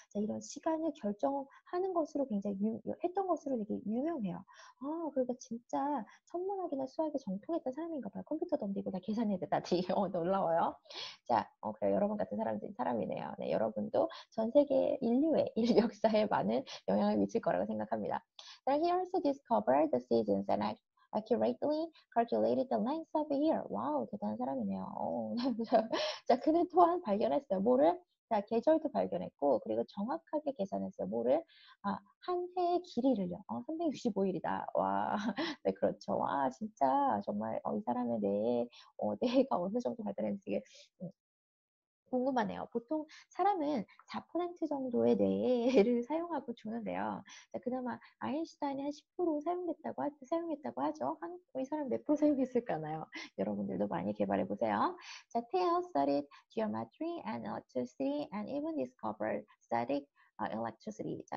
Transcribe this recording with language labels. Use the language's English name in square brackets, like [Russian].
[Korean] 이런 시간을 결정하는 것으로 굉장히 했던 것으로 되게 유명해요. 그러니까 진짜 천문학이나 수학에 정통했던 사람인가 봐요. 컴퓨터도 없는데 이거 다 계산해야 된다. 되게 놀라워요. 그래, 여러분 같은 사람이네요. 네, 여러분도 전 세계 인류의 인류 역사에 많은 영향을 미칠 거라고 생각합니다. [English] Now, he also discovered the seasons and accurately calculated the length of a year. [Korean] 와우, 대단한 사람이네요. 그는 또한 발견했어요. 뭐를? 계절도 발견했고, 그리고 정확하게 계산했어요. 뭐를? 한 해의 길이를요. 365일이다. 와, 네, 그렇죠. 와, 진짜, 정말, 이 사람의 뇌가 어느 정도 발달했는지 궁금하네요. 보통 사람은 4% 정도의 뇌를 사용하고 주는데요. 그나마 아인슈타인이 한10% 사용했다고 하죠. 한, 이 사람 몇 프로 사용했을까요? 여러분들도 많이 개발해 보세요. [English] Tao studied geometry and electricity and even discovered static electricity.